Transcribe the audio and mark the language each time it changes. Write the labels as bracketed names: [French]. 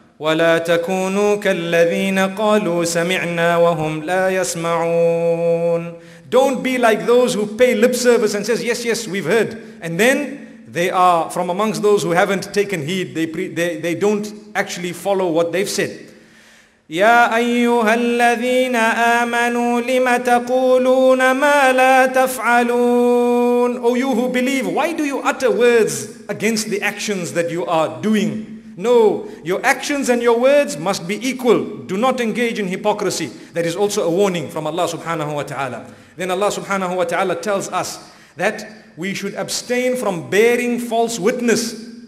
[Arabic] وَلَا تَكُونُوا كَالَّذِينَ قَالُوا سَمِعْنَا وَهُمْ لَا يَسْمَعُونَ. [English] Don't be like those who pay lip service and says, yes, yes, we've heard. And then they are from amongst those who haven't taken heed. They don't actually follow what they've said. [Arabic] يا أيها الذين آمنوا لما تقولون ما لا تفعلون. [English] O you who believe, why do you utter words against the actions that you are doing? No, your actions and your words must be equal. Do not engage in hypocrisy. That is also a warning from Allah subhanahu wa ta'ala. Then Allah subhanahu wa ta'ala tells us that we should abstain from bearing false witness.